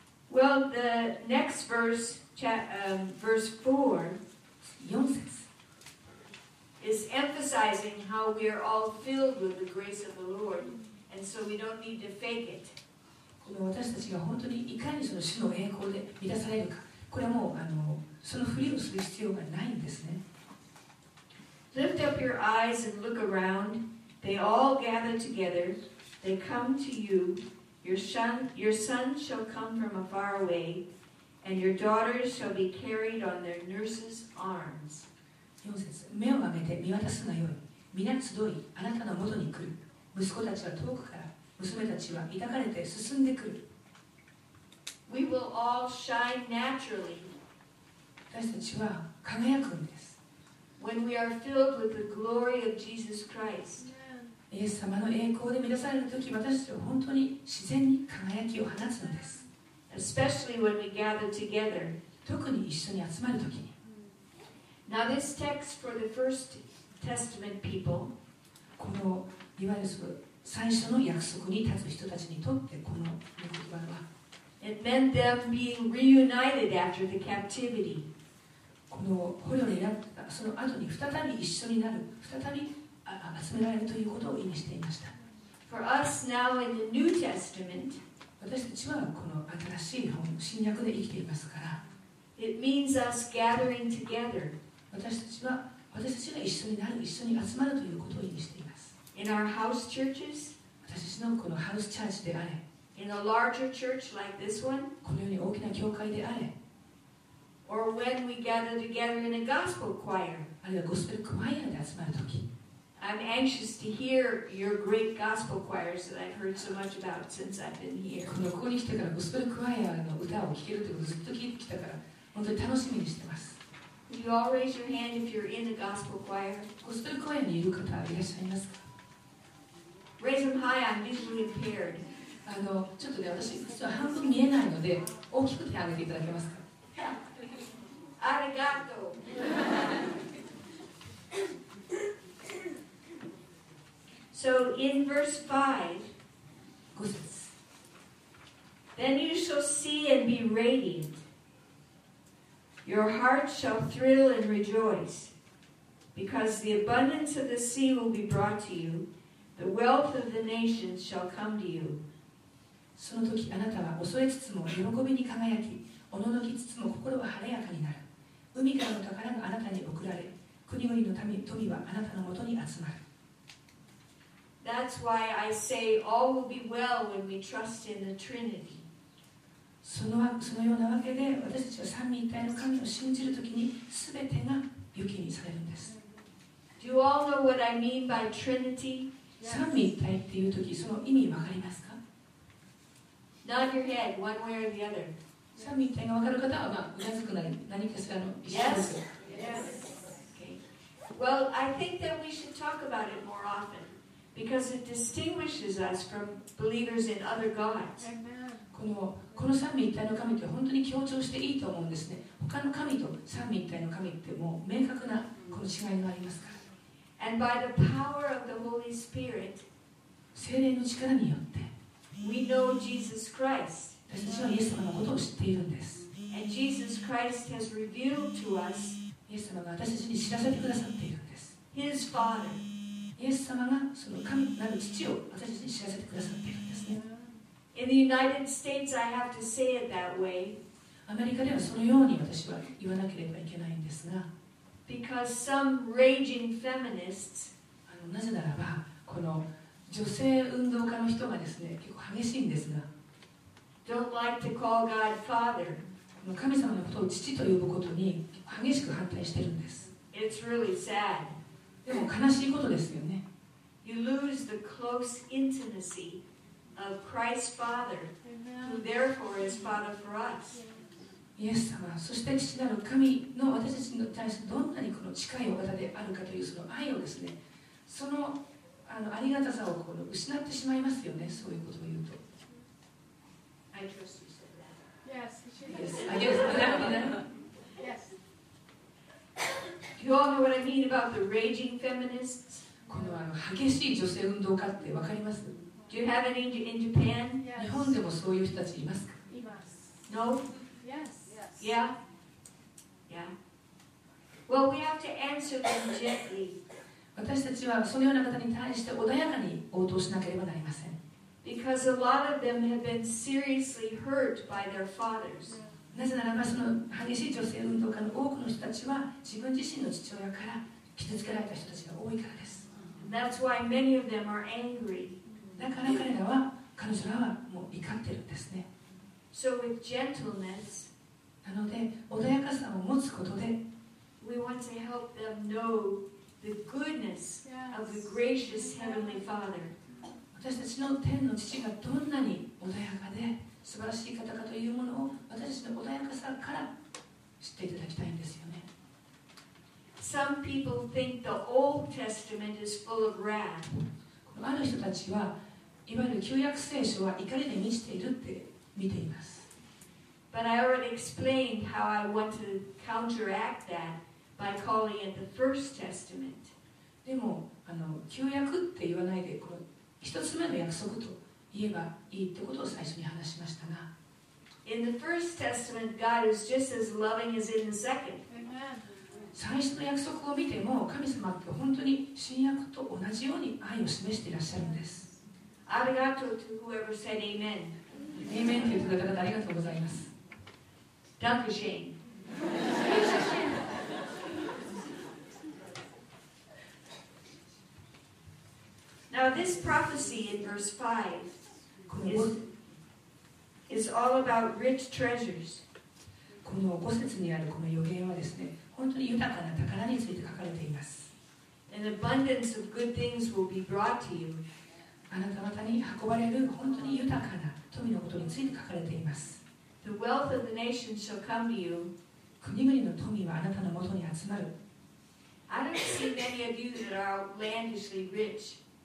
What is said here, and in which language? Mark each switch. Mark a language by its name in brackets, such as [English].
[English] Well, the next verse 4, is emphasizing how we are all filled with the grace of the Lord, and so we don't need to fake it. [Japanese] この私たちが本当にいかにその主の栄光で満たされるか、これはもうそのふりをする必要がないんですね。 [English] Lift up your eyes and look around. They all gather together. They come to you. Your sons shall come from afar away, and your daughters shall be carried on their nurses' arms. [Japanese] 4節、目を上げて見渡すがよい。皆集い、あなたの元に来る。息子たちは遠くから、娘たちは抱かれて進んでくる。 [English] We will all shine naturally. [Japanese] 私たちは輝くんです。 [English] When we are filled with the glory of Jesus Christ, [Japanese] イエス様の栄光で満たされるとき、私たちは本当に自然に輝きを放つのです。 [English] Especially when we gather together. [Japanese] 特に一緒に集まるときに。 [English] Now this text for the First Testament people. [Japanese] このいわゆる最初の約束に立つ人たちにとって、この言葉は。 [English] It meant them being reunited after the captivity. [Japanese] この捕虜になったその後に再び一緒になる、再び集められるということを意味していました。 [English] For us now in the New Testament, [Japanese] 私たちはこの新しい本、新約で生きていますから、 [English] It means us gathering together. [Japanese] 私たちが一緒になる、一緒に集まるということを意味しています。 [English] In our house churches, [Japanese] 私たちのこのハウスチャーチであれ、 [English] In a larger church like this one, [Japanese] このように大きな教会であれ、 [English] Or when we gather together in a gospel choir, [Japanese] あるいはゴスペルクワイアで集まるとき、 [English] I'm anxious to hear your great gospel choirs that I've heard so much about since I've been here. [Japanese] ここに来てからゴスペルクワイアの歌を聴けるということをずっと聞いてきたから、本当に楽しみにしてます。 [English] You all raise your hand if you're in the gospel choir. [Japanese] ゴスペルクワイアにいる方いらっしゃいますか？ [English] Raise them high, I'm visually impaired. [Japanese] ちょっとね、私実は半分見えないので、大きく手を挙げていただけますか？ありがとう。 [English] So in verse 5, then you shall see and be radiant. Your heart shall thrill and rejoice, because the abundance of the sea will be brought to you, the wealth of the nations shall come to you. [Japanese] その時あなたは恐れつつも喜びに輝き、おののきつつも心は晴れやかになる。海からの宝があなたに贈られ、国々の民、富はあなたのもとに集まる。 [English] That's why I say all will be well when we trust in the Trinity. [Japanese] そのようなわけで、私たちは三位一体の神を信じるときに、すべてが良きにされるんです。 [English] Do you all know what I mean by Trinity? [Japanese] 三位一体っていうとき、その意味わかりますか？ [English] Nod your head, one way or the other. [Japanese] 三位一体がわかる方は、うなずくなり、何かしらの意思です。 [English] Yes. Okay. Well, I think that we should talk about it more often. Because it distinguishes us from believers in other gods. [Japanese] この三位一体の神って本当に強調していいと思うんですね。他の神と三位一体の神ってもう明確なこの違いがありますから。 [English] And by the power of the Holy Spirit, [Japanese] 聖霊の力によって、 [English] we know Jesus Christ. [Japanese] 私たちはイエス様のことを知っているんです。 [English] And Jesus Christ has revealed to us, [Japanese] イエス様が私たちに知らせてくださっているんです。 [English] His Father. [Japanese] イエス様がその神なる父を私たちに知らせてくださっているんですね。 [English] In the United States, I have to say it that way. [Japanese] アメリカではそのように私は言わなければいけないんですが。 [English] Because some raging feminists, [Japanese] なぜならば、この女性運動家の人がですね、結構激しいんですが。 [English] Don't like to call God Father. [Japanese] 神様のことを父と呼ぶことに激しく反対してるんです。 [English] It's really sad. [Japanese] でも悲しいことですよね。 [English] You lose the close intimacy of Christ's Father, who therefore is Father for us. [Japanese] イエス様、そして父なる神の私たちに対してどんなにこの近いお方であるかというその愛をですね、そのありがたさをこの失ってしまいますよね、そういうことを言うと。 [English] I trust you said that. Yes. You all know what I mean about the raging feminists? [Japanese] この激しい女性運動家ってわかります？ [English] Do you have any in Japan? Yes. [Japanese] 日本でもそういう人たちいますか？います。 [English] No? Yes. Yeah? Yeah. Well, we have to answer them gently. [Japanese] 私たちはそのような方に対して穏やかに応答しなければなりません。 [English] Because a lot of them have been seriously hurt by their fathers. [Japanese] なぜならばその激しい女性運動家の多くの人たちは自分自身の父親から傷つけられた人たちが多いからです。 [English] That's why many of them are angry. [Japanese] だから彼らは彼女らはもう怒ってるんですね。 [English] So with gentleness, [Japanese] なので穏やかさを持つことで、 [English] we want to help them know the goodness of the gracious heavenly Father. [Japanese] 私たちの天の父がどんなに穏やかで。素晴らしい方かというものを私たちの穏やかさから知っていただきたいんですよね。 [English] Some people think the Old Testament is full of wrath. [Japanese] ある人たちはいわゆる旧約聖書は怒りで満ちているって見ています。 [English] But I already explained how I want to counteract that by calling it the First Testament. [Japanese] でも、旧約って言わないで、この一つ目の約束と言えばいいってことを最初に話しましたが。 [English] In the First Testament, God is just as loving as in the second. [Japanese] 最初の約束を見ても、神様って本当に新約と同じように愛を示していらっしゃるんです。ありがとうと [English] whoever said amen. [Japanese] Amen という方々ありがとうございます。 [English] Thank you, Shane. Now, this prophecy in verse 5 is all about rich treasures. [Japanese] この5節にあるこの予言はですね、本当に豊かな宝について書かれています。 [English] An abundance of good things will be brought to you. [Japanese] あなた方に運ばれる本当に豊かな富のことについて書かれています。 [English] The wealth of the nation shall come to you. [Japanese] 国々の富はあなたのもとに集まる。 [English] I don't see many of you that are outlandishly rich.